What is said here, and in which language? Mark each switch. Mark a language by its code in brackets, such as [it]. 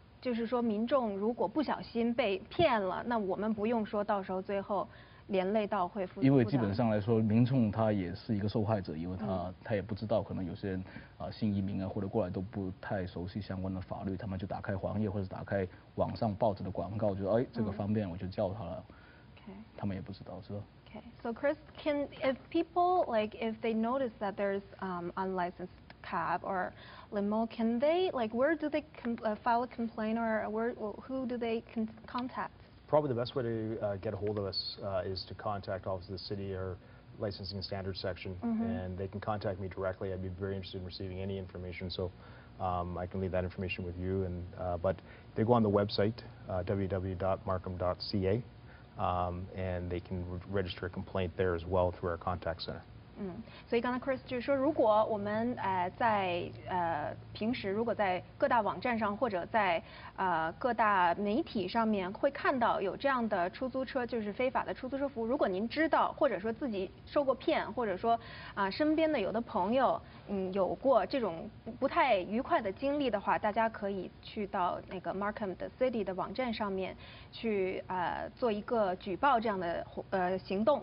[zh] 就是说民众如果不小心被骗了，那我们不用说到时候最后连累到会负责。因为基本上来说民众他也是一个受害者，因为他也不知道，可能有些人新移民啊或者过来都不太熟悉相关的法律，他们就打开黄页或者打开网上报纸的广告，就哎这个方便我就叫他了。他们也不知道，是吧？ [en] So Chris, can if people like if they notice that there's unlicensed cab or limo, can they like where do they file a complaint or who do they contact? Probably the best way to get a hold of us is to contact Office of the City or Licensing Standards Section, and they can contact me directly. I'd be very interested in receiving any information, so I can leave that information with you. And but they go on the website www.markham.ca. And they can register a complaint there as well through our contact center. [zh] 所以刚才 Chris 就是说，如果我们在平时如果在各大网站上或者在各大媒体上面会看到有这样的出租车，就是非法的出租车服务，如果您知道或者说自己受过骗，或者说身边的有的朋友有过这种不太愉快的经历的话，大家可以去到那个 Markham 的 City 的网站上面去做一个举报这样的行动。